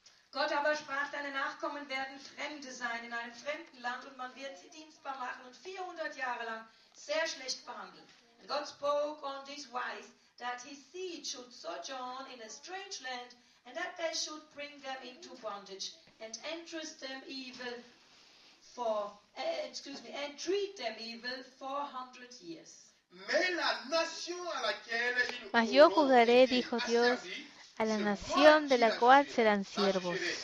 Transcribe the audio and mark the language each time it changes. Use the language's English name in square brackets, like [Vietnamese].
[German] Gott aber sprach, deine Nachkommen werden Fremde sein in einem fremden Land und man wird sie dienstbar machen und 400 Jahre lang sehr schlecht behandeln. [English] And God spoke on this wise that his seed should sojourn in a strange land and that they should bring them into bondage and entrust them evil for, and treat them evil 400 years. [French] Mais la nation à laquelle il [Spanish] Mas yo juzgaré, dijo Dios, a la nación de la cual serán siervos.